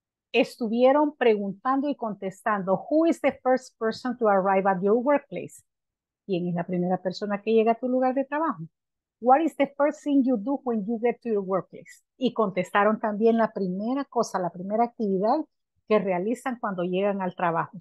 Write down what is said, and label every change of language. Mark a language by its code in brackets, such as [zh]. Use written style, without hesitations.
[es] Estuvieron preguntando y contestando, [en] who is the first person to arrive at your workplace? [es] ¿Quién es la primera persona que llega a tu lugar de trabajo? [en] What is the first thing you do when you get to your workplace? [es] Y contestaron también la primera cosa, la primera actividad que realizan cuando llegan al trabajo.